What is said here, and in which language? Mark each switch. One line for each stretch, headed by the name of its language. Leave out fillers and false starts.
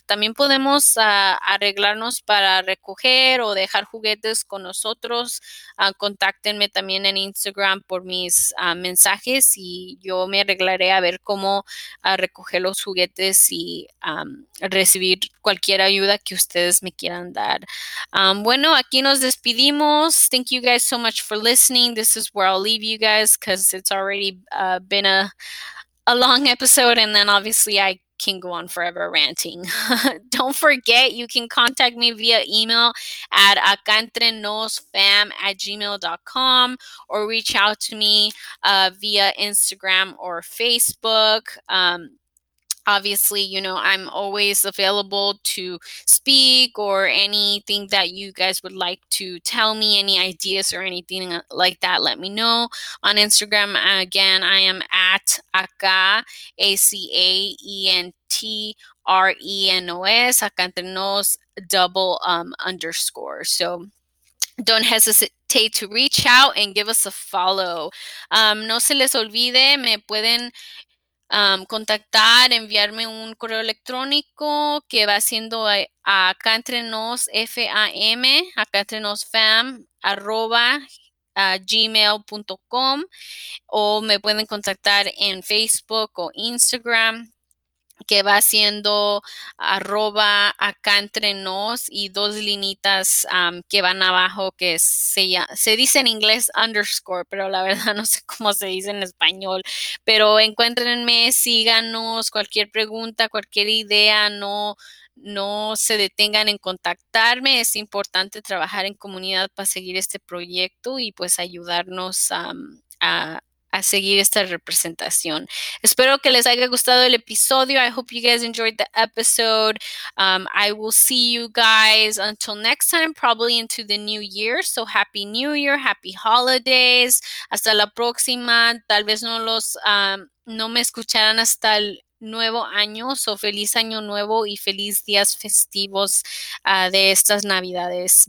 Spanish: También podemos arreglarnos para recoger o dejar juguetes con nosotros. Contáctenme también en Instagram por mis mensajes y yo me arreglaré a ver cómo recoger los juguetes y recibir cualquier ayuda que ustedes me quieran dar. Bueno, aquí nos despedimos.
English: Thank you guys so much for listening. This is where I'll leave you guys, because it's already been a long episode, and then obviously I can go on forever ranting. Don't forget, you can contact me via email at acaentrenosfam@gmail.com, or reach out to me via Instagram or Facebook. Obviously, you know, I'm always available to speak or anything that you guys would like to tell me, any ideas or anything like that, let me know. On Instagram, again, I am at Aca, A-C-A-E-N-T-R-E-N-O-S, Aca Entre Nos, double underscore. So don't hesitate to reach out and give us a follow.
Spanish: No se les olvide, me pueden contactar, enviarme un correo electrónico que va siendo acaentrenosfam@gmail.com, o me pueden contactar en Facebook o Instagram, que va siendo @acaentrenos y 2 linitas que van abajo, que se dice en inglés underscore, pero la verdad no sé cómo se dice en español. Pero encuéntrenme, síganos, cualquier pregunta, cualquier idea, no se detengan en contactarme. Es importante trabajar en comunidad para seguir este proyecto y pues ayudarnos a a seguir esta representación. Espero que les haya gustado el episodio.
English: I hope you guys enjoyed the episode. I will see you guys until next time, probably into the new year. So happy new year, happy holidays.
Spanish: Hasta la próxima. Tal vez no los no me escucharán hasta el nuevo año. So feliz año nuevo y feliz días festivos de estas navidades.